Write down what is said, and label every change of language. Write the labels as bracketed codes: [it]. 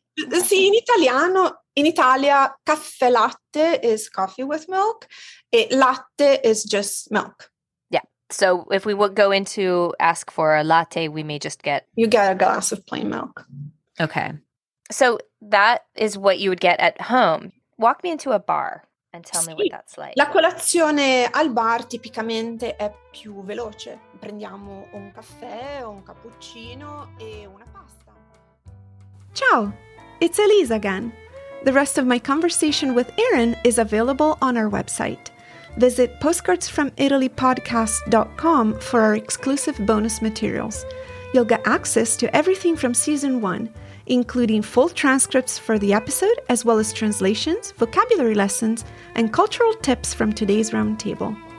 [it] Sì, in italiano, in Italia, caffè latte [en] is coffee with milk. E latte is just milk. Yeah. So if we would go into ask for a latte, we may just get... You get a glass of plain milk. Okay. So that is what you would get at home. Walk me into a bar. And tell me what that's like. [it] La colazione al bar tipicamente è più veloce. Prendiamo un caffè, un cappuccino e una pasta. [en] Ciao, it's Elise again. The rest of my conversation with Erin is available on our website. Visit postcardsfromitalypodcast.com for our exclusive bonus materials. You'll get access to everything from season one, including full transcripts for the episode, as well as translations, vocabulary lessons, and cultural tips from today's roundtable.